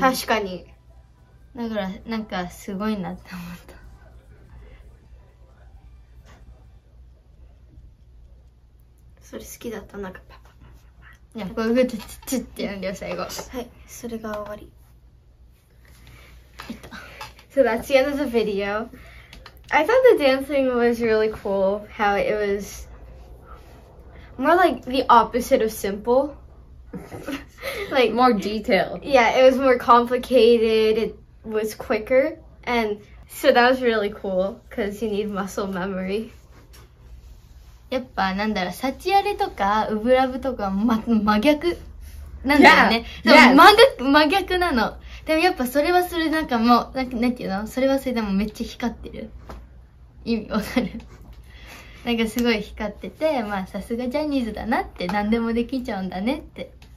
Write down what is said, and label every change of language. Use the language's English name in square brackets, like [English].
[Japanese] 確かにだからなんかすごいなって思ったそれ好きだったなんかパパパパパパいやこういうふうにチッチッってやるんだよ最後はいそれが終わりいった [English] So that's the end of the video I thought the dancing was really cool how it wasMore like the opposite of simple. like more detailed. Yeah, it was more complicated. It was quicker. And so that was really cool because you need muscle memory. Y [Japanese] やっぱなんだろう、サチアレとかウブラブとか、ま、真逆なんだよね。 [English] Yeah. Yes. [Japanese] 真逆なの。でもやっぱそれはそれなんかもう、なんていうの、それはそれでもめっちゃ光ってる。意味わかる。なんかすごい光ってて、まあさすがジャニーズだなって、何でもできちゃうんだねって。